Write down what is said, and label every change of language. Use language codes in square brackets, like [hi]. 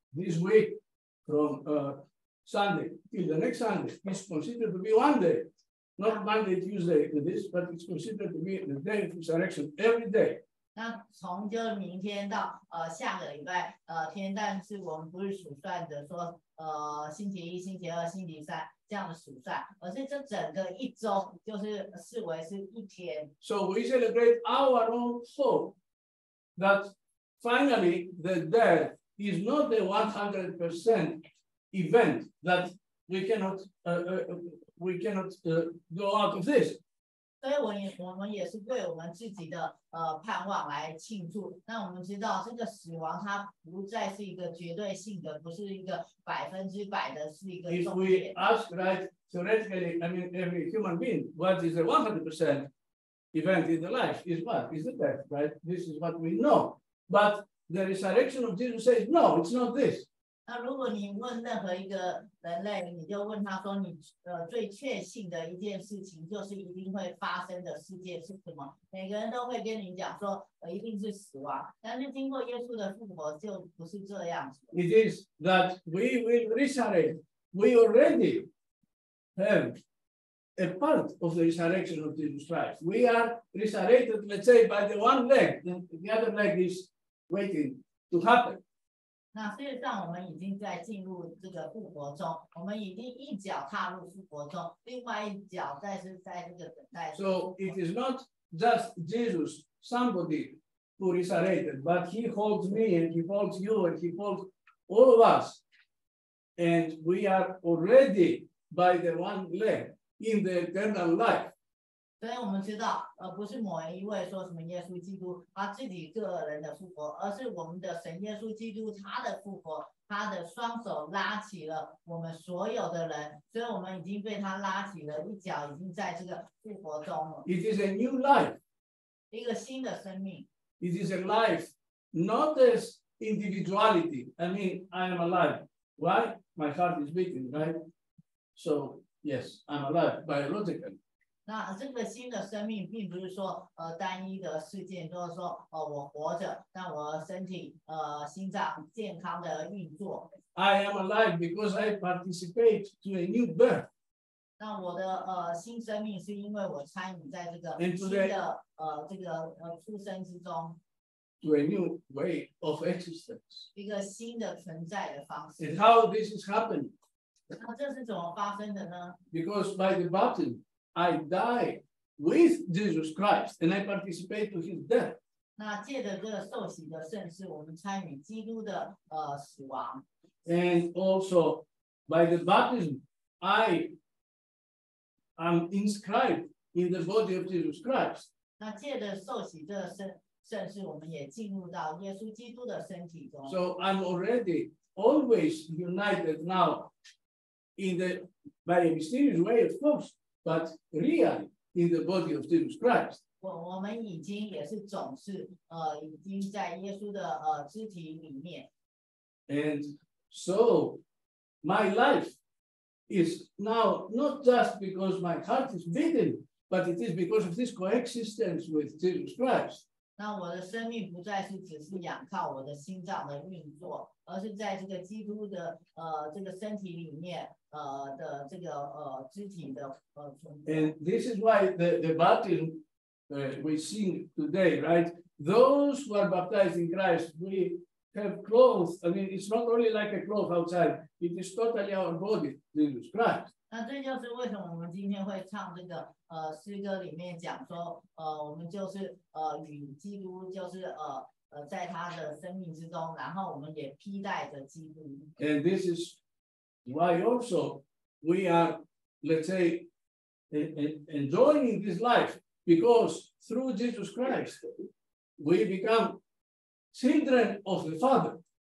[en] this week from Sunday till the next Sunday is considered to be one day, not Monday, Tuesday, this, but it's considered to be the day of resurrection every day. [zh] 那从就明天到下个礼拜天，但是我们不是数算着说星期一、星期二、星期三这样的数算，而是这整个一周就是视为是一天。 [en] So we celebrate our own hope that finally the death is not the 100% event that we cannot go out of this. [zh] 所以我们也是为我们自己的盼望来庆祝。那我们知道这个死亡它不再是一个绝对性的，不是一个百分之百的，是一个终点。 [en] If we ask right theoretically, I mean every human being, what is the 100%? event in the life is what? Is the death, right? This is what we know. But the resurrection of Jesus says, no, it's not this. [zh] 那如果你问任何一个人类，你就问他说你最确信的一件事情就是一定会发生的世界是什么？每个人都会跟你讲说一定是死亡，但是经过耶稣的复活就不是这样子。 [en] It is that we will resurrect. We already have a part of the resurrection of Jesus Christ. We are resurrected, let's say, by the one leg. The other leg is waiting to happen. [zh] 那事实上，我们已经在进入这个复活中，我们已经一脚踏入复活中，另外一脚在是在这个等待。 [en] So it is not just Jesus, somebody who resurrected, but he holds me and he holds you and he holds all of us. And we are already by the one leg in the eternal life. [zh] 所以我们知道，不是某一位说什么耶稣基督他自己个人的复活，而是我们的神耶稣基督他的复活，他的双手拉起了我们所有的人，所以我们已经被他拉起了一脚，已经在这个复活中了。 [en] It is a new life， [zh] 一个新的生命。 [en] It is a life, not as individuality. I mean, I am alive. Why? My heart is beating, right? So yes, I'm alive biologically. [zh] 那这个新的生命并不是说单一的事件，就是说我活着，但我身体心脏健康的运作。 [en] I am alive because I participate to a new birth. [zh] 那我的新生命是因为我参与在这个新的出生之中。 [en] To a new way of existence. [zh] 一个新的存在的方式。 [en] And how this is happening? [zh] 那这是怎么发生的呢 [en] ？Because by the baptism. I die with Jesus Christ and I participate to his death. [zh] 那借着这个受洗的圣事，我们参与基督的死亡。 [en] And also by the baptism, I am inscribed in the body of Jesus Christ. [zh] 那借着受洗这个圣事，我们也进入到耶稣基督的身体中。 [en] So I'm already always united now in the by a mysterious way, of course. But really, in the body of Jesus Christ. [zh] 我们已经也是总是已经在耶稣的肢体里面。 [en] And so, my life is now not just because my heart is beating, but it is because of this coexistence with Jesus Christ. [zh] 那我的生命不再是只是仰靠我的心脏的运作，而是在这个基督的这个身体里面。 [en] And this is why the baptism we sing today, right? Those who are baptized in Christ, we have clothes. I mean, it's not only like a cloth outside, it is totally our body, Jesus Christ. [zh] 那这就是为什么我们今天会唱这个诗歌里面讲说我们就是与基督就是在他的生命之中，然后我们也披戴着基督。 [en] And this is. Why also we are, let's say, enjoying this life because through Jesus Christ we become children of the Father.